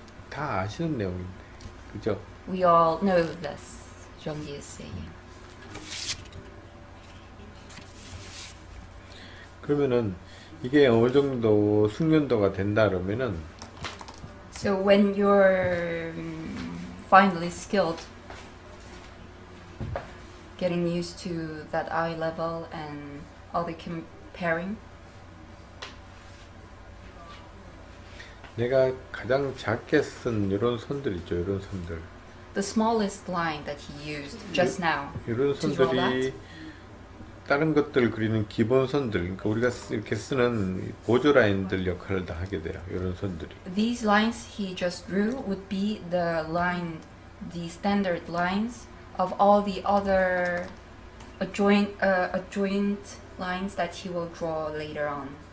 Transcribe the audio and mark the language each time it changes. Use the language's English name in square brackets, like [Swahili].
[Korean] 다 아시는 내용인데, 그죠? [English] We all know this, Zhang is saying. [Korean] 그러면은 이게 어느 정도 숙련도가 된다 그러면은. [English] So when you're finally skilled, getting used to that eye level and all the comparing. [Korean] 내가 가장 작게 쓴 이런 손들 있죠, 이런 손들. [English] The smallest line that he used just now. [Korean] 이런 손들이 다른 것들 그리는 기본 선들, 그러니까 우리가 이렇게 쓰는 보조 라인들 역할을 다 하게 돼요. 이런 선들이. [English] These lines he just drew would be the line, the standard lines of all the other adjoint lines that he will draw later on.